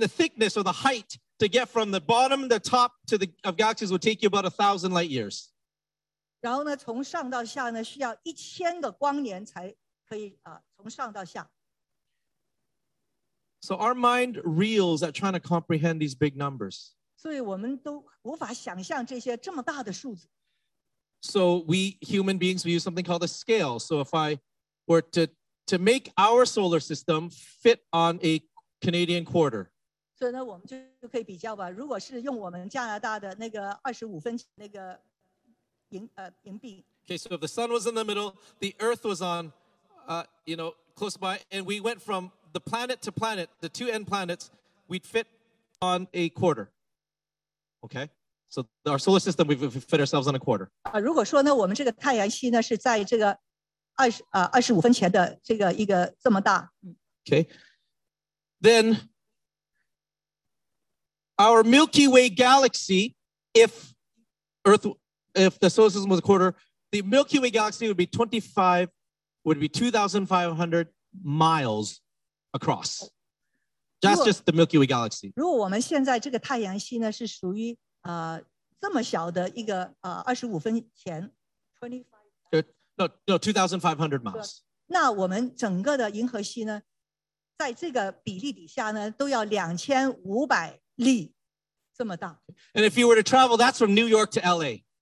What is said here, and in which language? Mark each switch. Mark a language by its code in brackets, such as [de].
[en] the thickness or the height to get from the bottom to the top to the of galaxies would take you about 1,000 light years. [zh] 然后呢,从上到下呢,需要1,000个光年才可以从上到下。 [en] So our mind reels at trying to comprehend these big numbers. [zh] 所以我们都无法想象这些这么大的数字。 [en] So we human beings, we use something called a scale. So if I were to make our solar system fit on a Canadian quarter. [zh] 所以呢,我们就可以比较吧,如果是用我们加拿大的那个25分那个 [en] Okay, so if the sun was in the middle, the earth was on, close by, and we went from the planet to planet, the two end planets, we'd fit on a quarter. Okay, So our solar system, we've fit ourselves on a quarter. [zh] 如果说呢，我们这个太阳系呢是在这个 25分前的这个一个这么大。 [en] Okay. Then our Milky Way galaxy, if the solar system was a quarter, the Milky Way galaxy would be 2,500 miles across. That's just the Milky Way galaxy. [zh] 如果我们现在这个太阳系呢是属于 [en] 2,500 miles. [zh] 那我们整个的银河系呢？在这个比例底下呢，都要2,500里这么大。 [en] And if you were to travel, that's from New York to LA.